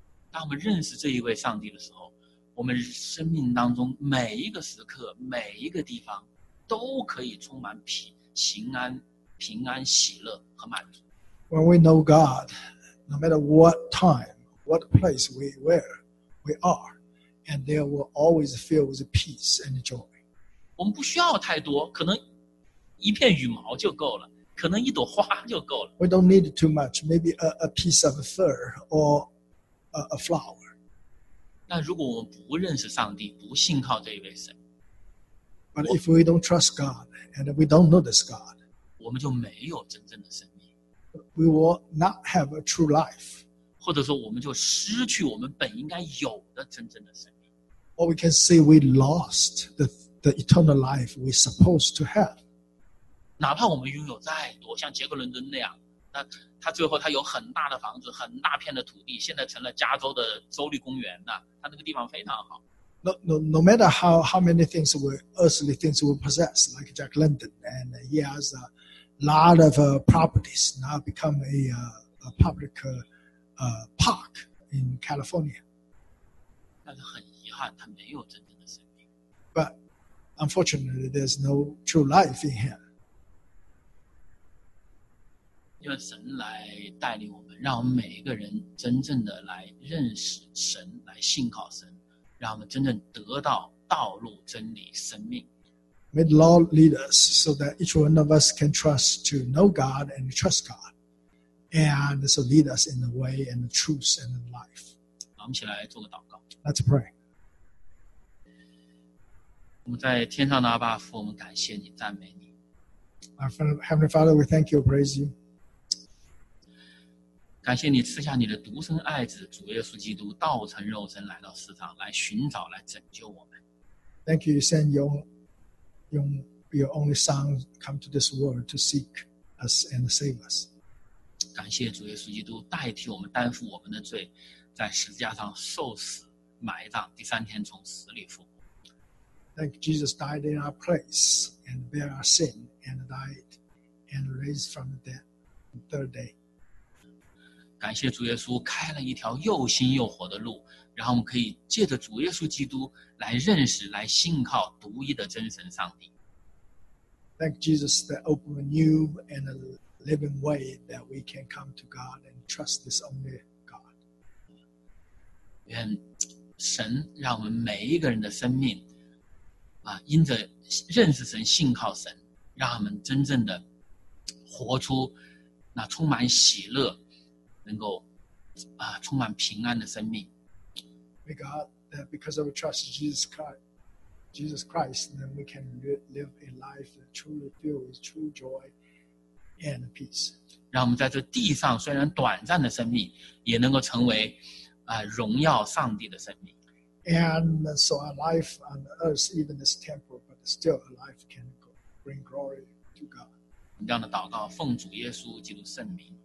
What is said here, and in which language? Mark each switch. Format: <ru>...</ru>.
<zh>当我们认识这一位上帝的时候，我们生命当中每一个时刻、每一个地方都可以充满平安、喜乐和满足。</zh> <en>When we know God, no matter what time, what place we are, and there will always fill with peace and joy.</en> <zh>我们不需要太多，可能一片羽毛就够了，可能一朵花就够了。</zh> <en>We don't need too much, maybe a piece of fur or a flower.</en> <zh>但如果我们不认识上帝，不信靠这一位神。</zh> <en>But if we don't trust God and we don't know this God,</en> <zh>我们就没有真正的生命。</zh> <en>We will not have a true life.</en> <zh>或者说我们就失去我们本应该有的真正的生命。</zh> <en>Or we can say we lost the eternal life we're supposed to have.</en> <zh>哪怕我们拥有再多，像杰克伦敦那样，那他最后他有很大的房子，很大片的土地，现在成了加州的州立公园的，他那个地方非常好。</zh> <en>No matter how many things we earthly things we possess, like Jack London, and he has a lot of properties now become a public park in California.</en> <zh>但是很遗憾，他没有真正的生命。</zh> <en>But unfortunately, there's no true life in him.</en> <zh>愿神来带领我们，让我们每一个人真正的来认识神，来信靠神。让我们真正得到道路、真理、生命。</zh> <en>May the Lord lead us so that each one of us can trust to know God and trust God, and so lead us in the way and the truth and the life.</en> <zh>我们起来做个祷告。</zh> <en>Let's pray.</en> <zh>我们在天上的阿爸父，我们感谢你，赞美你。</zh> <en>Our Heavenly Father, we thank you, praise you.</en> <zh>感谢你赐下你的独生爱子主耶稣基督，道成肉身来到世上，来寻找，来拯救我们。</zh> <en>Thank you, send your only Son come to this world to seek us and save us.</en> <zh>感谢主耶稣基督代替我们担负我们的罪，在十字架上受死埋葬，第三天从死里复活。</zh> <en>Thank Jesus died in our place and bear our sin and died and raised from the dead the third day.</en> <zh>感谢主耶稣开了一条又新又活的路，然后我们可以借着主耶稣基督来认识、来信靠独一的真神上帝。</zh> <en>Thank Jesus that opened a new and a living way that we can come to God and trust this only God.</en> <zh>愿神让我们每一个人的生命啊，因着认识神、信靠神，让我们真正的活出那充满喜乐、能够啊充满平安的生命。</zh> <en>May God, that because of trust in Jesus Christ, then we can live a life that truly filled with true joy and peace.</en> <zh>让我们在这地上虽然短暂的生命，也能够成为啊荣耀上帝的生命。</zh> <en>And so our life on earth, even this temple, but still a life can bring glory to God.</en> <zh>这样的祷告，奉主耶稣基督圣名。</zh>